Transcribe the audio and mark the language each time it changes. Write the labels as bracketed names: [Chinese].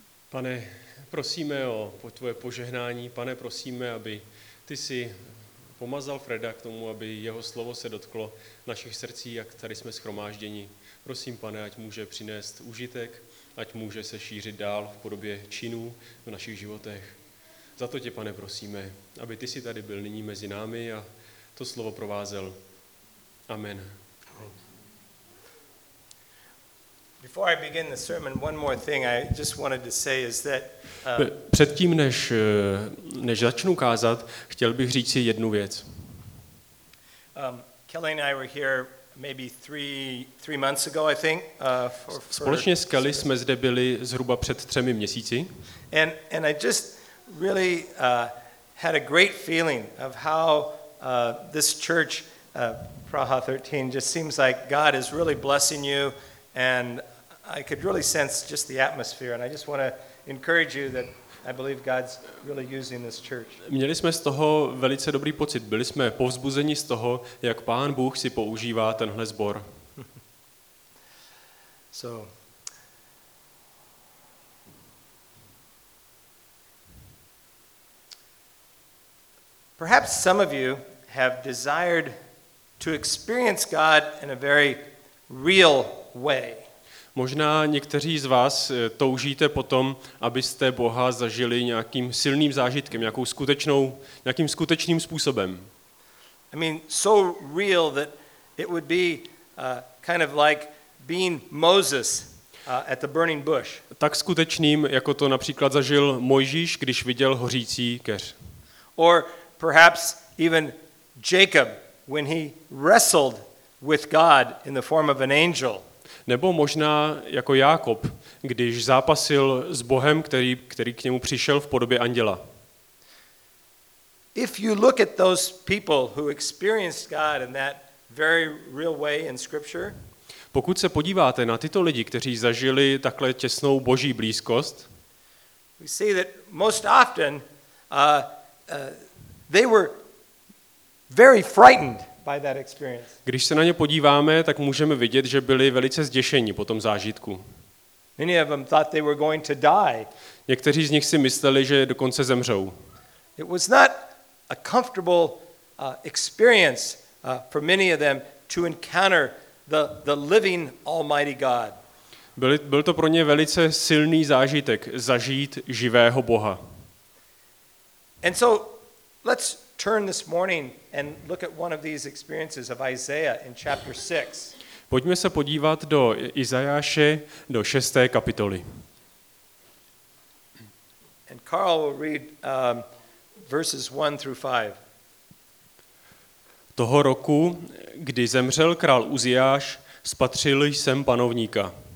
[Czech] Pane, prosíme o tvoje požehnání. Pane, prosíme, aby ty si pomazal Freda k tomu, aby jeho slovo se dotklo našich srdcí, jak tady jsme shromážděni. Prosím, pane, ať může přinést užitek, ať může se šířit dál v podobě činů v našich životech. Za to tě, pane, prosíme, aby ty si tady byl nyní mezi námi a to slovo provázel. Amen. [English] Before I begin the sermon, one more thing I just wanted to say is that [Czech] předtím než začnu kázat, chtěl bych říct si jednu věc. [English] Kelly and I were here maybe three months ago, I think. [Czech] Společně s Kelly jsme zde byli zhruba před třemi měsíci. [English] And I just really had a great feeling of how this church Praha 13 just seems like God is really blessing you, and I could really sense just the atmosphere, and I just want to encourage you that I believe God's really using this church. [Czech] Měli jsme z toho velice dobrý pocit. Byli jsme povzbuzeni z toho, jak Pán Bůh si používá tenhle sbor. [English] So, perhaps some of you have desired to experience God in a very real way. [Czech] Možná někteří z vás toužíte potom, abyste Boha zažili nějakým silným zážitkem, nějakým skutečným způsobem. [English] I mean, so real that it would be kind of like being Moses at the burning bush. [Czech] Tak skutečným, jako to například zažil Mojžíš, když viděl hořící keř. [English] Or perhaps even Jacob when he wrestled with God in the form of an angel. [Czech] Nebo možná jako Jákob, když zápasil s Bohem, který k němu přišel v podobě anděla. [English] If you look at those people who experienced God in that very real way in scripture, [Czech] pokud se podíváte na tyto lidi, kteří zažili takhle těsnou boží blízkost, [English] we see that most often they were very frightened by that experience. [Czech] Když se na ně podíváme, tak můžeme vidět, že byli velice zděšeni po tom zážitku. [English] Many of them thought they were going to die. [Czech] Někteří z nich si mysleli, že dokonce zemřou. [English] It was not a comfortable experience for many of them to encounter the living almighty God. [Czech] Byl to pro ně velice silný zážitek zažít živého Boha. [English] And so let's turn this morning and look at one of these experiences of Isaiah in chapter 6. [Czech] Pojďme se podívat do Izajáše do 6. kapitoly. [English] And Carl will read verses 1 through 5. [Czech] Toho roku, kdy zemřel král Uziáš, spatřil jsem panovníka.